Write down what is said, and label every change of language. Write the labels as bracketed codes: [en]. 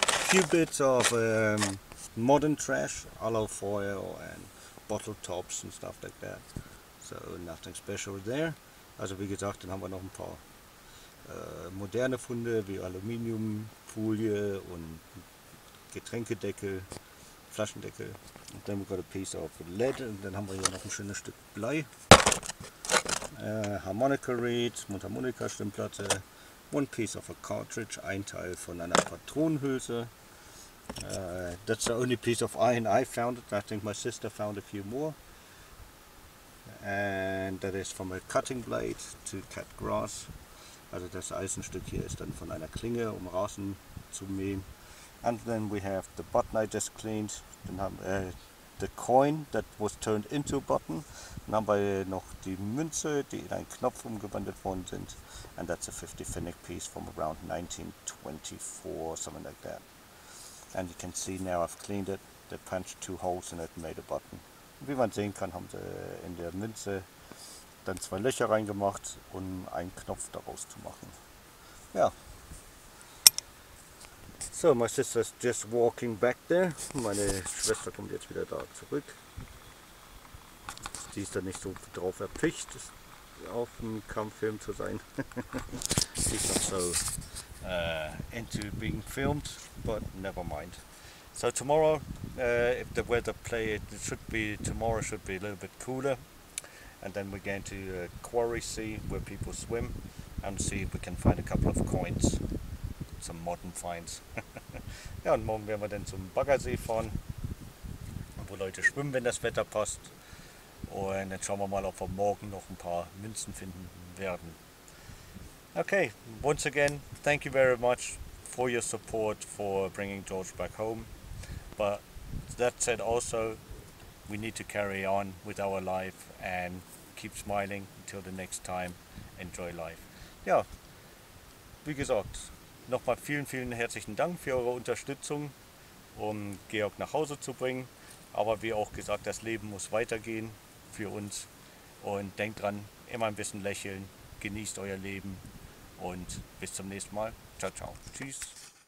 [en] Few bits of modern trash, aloe foil and bottle tops and stuff like that. So, nothing special there. [de] Also, wie gesagt, dann haben wir noch ein paar moderne Funde wie Aluminiumfolie und Getränkedeckel. Flaschendeckel. [en] And then we've got a piece of lead and then [de] haben wir hier noch ein schönes Stück Blei. [en] Harmonica Reed, [de] Mundharmonika Stimmplatte, [en] one piece of a cartridge, [de] ein Teil von einer Patronenhülse. [en] That's the only piece of iron I found. I think my sister found a few more. And that is from a cutting blade to cut grass. [de] Also das Eisenstück hier ist dann von einer Klinge, um Rasen zu mähen. [en] And then we have the button I just cleaned. [de] Dann haben wir [en] the coin that was turned into a button. [de] Dann haben wir noch die Münze, die in einen Knopf umgewandelt worden sind. [en] And that's a 50 Pfennig piece from around 1924, something like that. And you can see now I've cleaned it. They punched two holes in it and made a button. [de] Und wie man sehen kann, haben sie in der Münze dann zwei Löcher reingemacht, um einen Knopf daraus zu machen. Ja. [en] So, my sister's just walking back there. [de] Meine Schwester kommt jetzt wieder da zurück. Sie ist da nicht so drauf erpicht, auf dem Kampffilm zu sein. [en] She's not so into being filmed, but never mind. So tomorrow, if the weather play, it should be, tomorrow should be a little bit cooler. And then we're going to the quarry sea where people swim and see if we can find a couple of coins. Some modern finds. [de] Ja, und morgen werden wir dann zum Baggersee fahren, wo Leute schwimmen, wenn das Wetter passt. Und dann schauen wir mal, ob wir morgen noch ein paar Münzen finden werden. [en] Okay, once again, thank you very much for your support for bringing George back home. But that said also, we need to carry on with our life and keep smiling until the next time. Enjoy life. [de] Ja, wie gesagt, nochmal vielen, vielen herzlichen Dank für eure Unterstützung, um Georg nach Hause zu bringen. Aber wie auch gesagt, das Leben muss weitergehen für uns. Und denkt dran, immer ein bisschen lächeln, genießt euer Leben und bis zum nächsten Mal. Ciao, ciao. Tschüss.